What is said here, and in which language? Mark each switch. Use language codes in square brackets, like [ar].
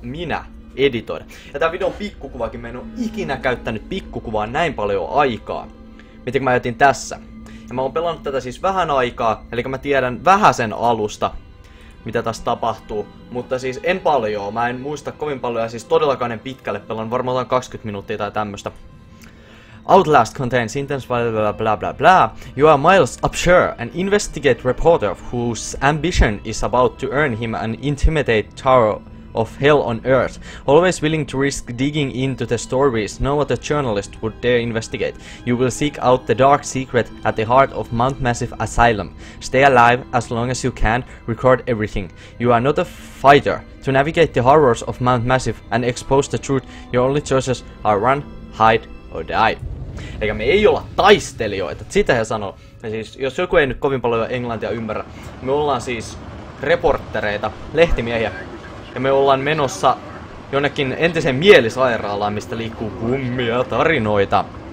[fi] Minä editoida. Ja tää videon pikkukuvakin, mä en oo ikinä käyttänyt pikkukuvaa näin paljon aikaa. Miten mä jätin tässä? Ja mä oon pelannut tätä siis vähän aikaa, eli mä tiedän vähän sen alusta, mitä tässä tapahtuu. Mutta siis en paljon, mä en muista kovin paljon, ja siis todellakaan en pitkälle pelon, varmaan 20 minuuttia tai tämmöstä. [en] Outlast contains intense blah blah blah blah. You are Miles Upshur, an investigative reporter whose ambition is about to earn him an intimidate tower of hell on earth, always willing to risk digging into the stories no other journalist would dare investigate. You will seek out the dark secret at the heart of Mount Massive Asylum. Stay alive as long as you can, record everything. You are not a fighter. To navigate the horrors of Mount Massive and expose the truth, your only choices are run, hide or die. [fi] Eikä me ei olla taistelijoita, sitä he sanoo. Ja siis, jos joku ei nyt kovin paljon englantia ymmärrä, me ollaan siis reporttereita, lehtimiehiä. Ja me ollaan menossa jonnekin entiseen mielisairaalaan, mistä liikkuu kummia tarinoita.